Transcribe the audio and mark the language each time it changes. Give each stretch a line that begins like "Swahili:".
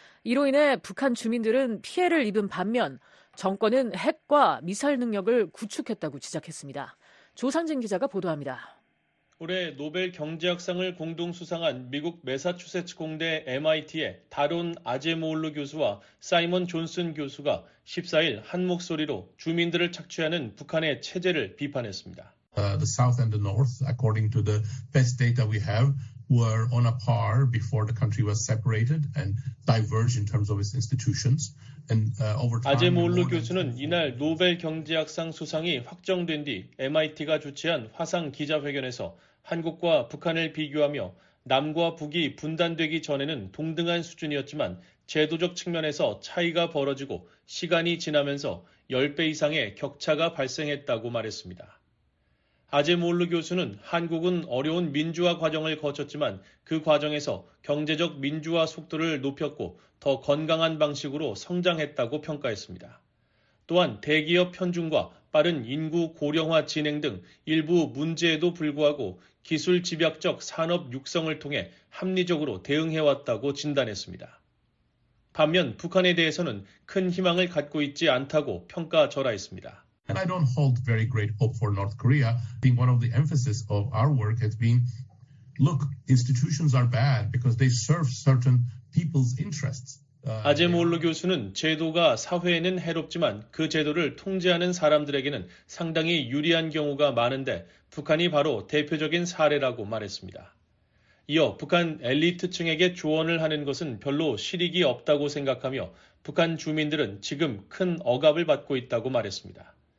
Korean: 이로 인해 북한 주민들은 피해를 입은 반면 정권은 핵과 미사일 능력을 구축했다고 지적했습니다. 조상진 기자가 보도합니다. 올해 노벨 경제학상을 공동 수상한 미국 매사추세츠 공대 MIT의 다론 아제모울루 교수와 사이먼 존슨 교수가 14일 한 목소리로 주민들을 착취하는 북한의 체제를 비판했습니다.
English: The South and the North, according to the best data we have, were on a par before the country was separated and diverged in terms of its institutions. And over time,
Korean: 아제모울루 교수는 이날 노벨 경제학상 수상이 확정된 뒤 MIT가 주최한 화상 기자회견에서 한국과 북한을 비교하며 남과 북이 분단되기 전에는 동등한 수준이었지만 제도적 측면에서 차이가 벌어지고 시간이 지나면서 10배 이상의 격차가 발생했다고 말했습니다. 아제모울루 교수는 한국은 어려운 민주화 과정을 거쳤지만 그 과정에서 경제적 민주화 속도를 높였고 더 건강한 방식으로 성장했다고 평가했습니다. 또한 대기업 편중과 빠른 인구 고령화 진행 등 일부 문제에도 불구하고 기술 집약적 산업 육성을 통해 합리적으로 대응해왔다고 진단했습니다. 반면 북한에 대해서는 큰 희망을 갖고 있지 않다고 평가절하했습니다.
English: And I don't hold very great hope for North Korea. I think one of the emphasis of our work has been, look, institutions are bad because they serve certain people's interests.
Korean: 아제모울루 교수는 제도가 사회에는 해롭지만 그 제도를 통제하는 사람들에게는 상당히 유리한 경우가 많은데 북한이 바로 대표적인 사례라고 말했습니다. 이어 북한 엘리트층에게 조언을 하는 것은 별로 실익이 없다고 생각하며 북한 주민들은 지금 큰 억압을 받고 있다고 말했습니다.